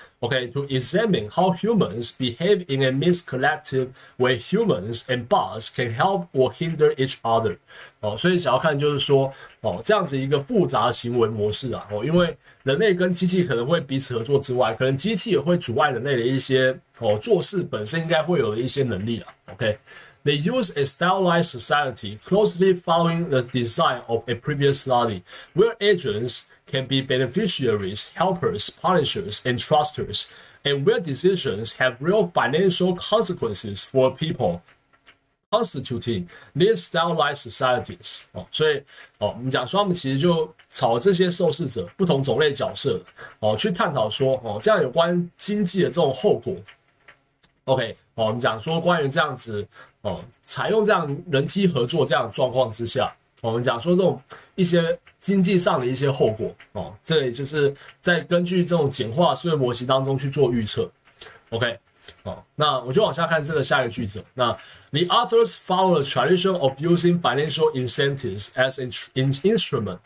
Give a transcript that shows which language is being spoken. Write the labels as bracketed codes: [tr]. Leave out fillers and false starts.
[en] OK， to examine how humans behave in a mixed collective where humans and bots can help or hinder each other。 [zh] 哦，所以想要看就是说，哦，这样子一个复杂行为模式啊，哦，因为人类跟机器可能会彼此合作之外，可能机器也会阻碍人类的一些哦做事本身应该会有的一些能力啊。 [en] OK， they use a stylized society closely following the design of a previous study where agents. Can be beneficiaries, helpers, punishers, and trusters, and where decisions have real financial consequences for people, constituting these stylized societies. [zh] 哦，所以哦，我们讲说他们其实就朝这些受试者不同种类角色哦去探讨说哦这样有关经济的这种后果。 OK， 哦，我们讲说关于这样子哦采用这样人机合作这样的状况之下。我们讲说这种一些经济上的一些后果哦，这里就是在根据这种简化思维模型当中去做预测。 OK， 哦，那我就往下看这个下一个句子。 [en] 那 The authors follow the tradition of using financial incentives as an instrument.